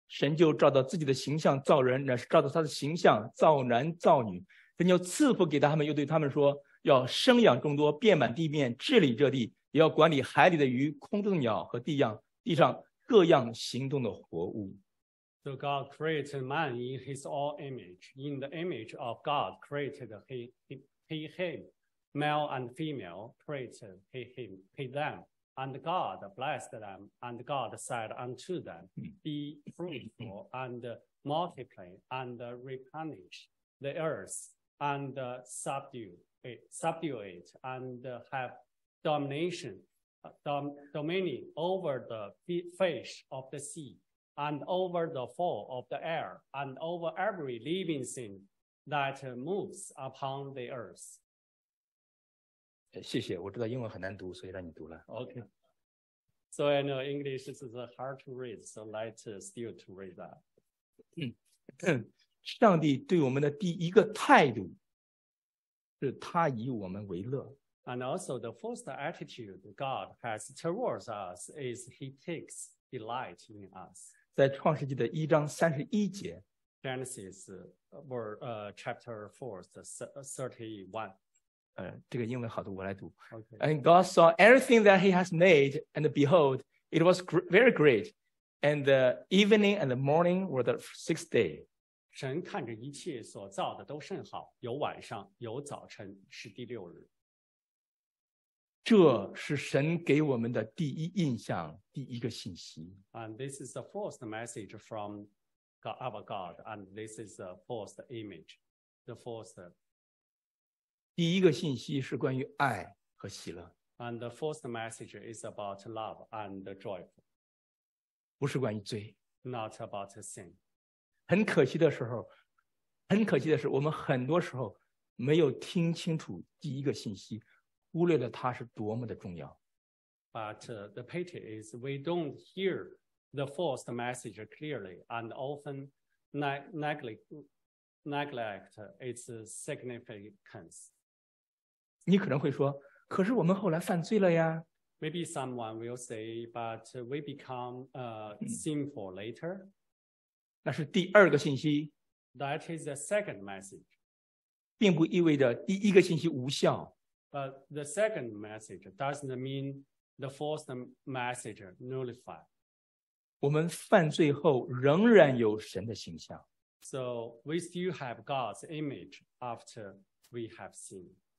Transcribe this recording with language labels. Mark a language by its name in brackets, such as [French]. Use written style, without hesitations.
[Chinese] 神就照着自己的形象造人，乃是照着他的形象造男造女。神就赐福给他们，又对他们说，要生养众多，遍满地面，治理这地，也要管理海里的鱼、空中的鸟和地上各样行动的活物。 [English] So God created man in his own image. In the image of God created he him. Male and female created he them. And God blessed them, and God said unto them, Be fruitful, and multiply, and replenish the earth, and subdue it, and have dominion over the fish of the sea, and over the fowl of the air, and over every living thing that moves upon the earth. [Chinese] 谢谢，我知道英文很难读，所以让你读了。 [English] OK. So I know English is hard to read, so let Steve to read that. [Chinese] 上帝对我们的第一个态度是他以我们为乐。 [English] And also the first attitude God has towards us is he takes delight in us. [Chinese] 在创世纪的一章三十一节 [English] Genesis chapter 4:31. [Chinese] 这个英文好的我来读、 [English] okay. And God saw everything that he has made and behold it was very great and the evening and the morning were the sixth day [Chinese] 神看着一切所造的都甚好有晚上有早晨是第六日这是神给我们的第一印象第一个信息 [English] And this is the first message from our God and this is the first image the first [Chinese] di一个信息是关于爱和喜乐 [English] And the first message is about love and joy. [Chinese] 不是关于罪 [English] Not about sin. [Chinese] 很可惜的是我们很多时候没有听清楚第一个信息忽略了它是多么的重要 [English] But the pity is we don't hear the first message clearly and often neglect its significance. [Chinese] 你可能会说可是我们后来犯罪了呀 [English] Maybe someone will say but we become sinful later [Chinese] 那是第二个信息 [English] That is the second message [Chinese] 并不意味着第一个信息无效 [English] But the second message doesn't mean the first message nullified [Chinese] 我们犯罪后仍然有神的形象 [English] So we still have God's image after we have sinned